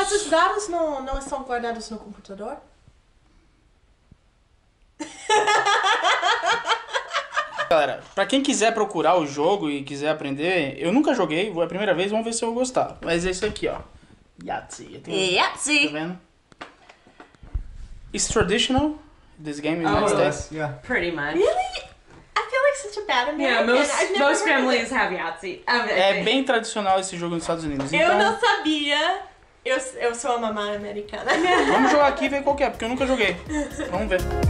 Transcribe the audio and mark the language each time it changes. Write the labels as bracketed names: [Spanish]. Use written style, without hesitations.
[Portuguese] Mas os dados não estão guardados no computador? Galera, pra quem quiser procurar o jogo e quiser aprender, eu nunca joguei, é a primeira vez, vamos ver se eu vou gostar. Mas é isso aqui, ó. Yahtzee. Tá vendo? [English] It's traditional, this game in the States. Yeah. Pretty much. Really? I feel like such a bad American. Yeah, most families have Yahtzee. [Portuguese] É bem tradicional esse jogo nos Estados Unidos. Então... Eu não sabia. Eu sou a mamãe americana. Vamos jogar aqui e ver qual que é, porque eu nunca joguei. Vamos ver.